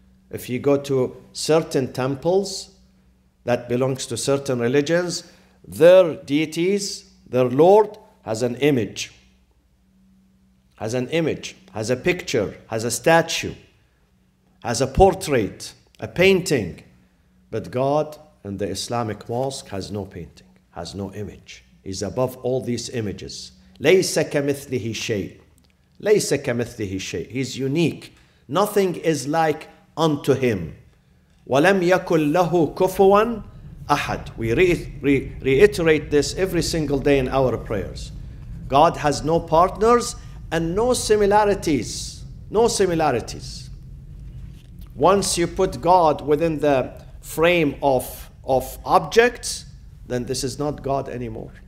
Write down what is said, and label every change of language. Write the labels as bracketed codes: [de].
[en] If you go to certain temples that belongs to certain religions, their deities, their Lord has an image. Has a picture, has a statue, has a portrait, a painting. But God in the Islamic mosque has no painting, has no image. He's above all these images. [ar] لَيْسَ كَمِثْلِهِ شَيْءٍ لَيْسَ كَمِثْلِهِ شَيْءٍ [en] He's unique. Nothing is like unto him. [ar] وَلَمْ يَكُلْ لَهُ كُفُوًا أَحَدٍ [en] We reiterate this every single day in our prayers. God has no partners and no similarities. No similarities. Once you put God within the frame of objects, then this is not God anymore.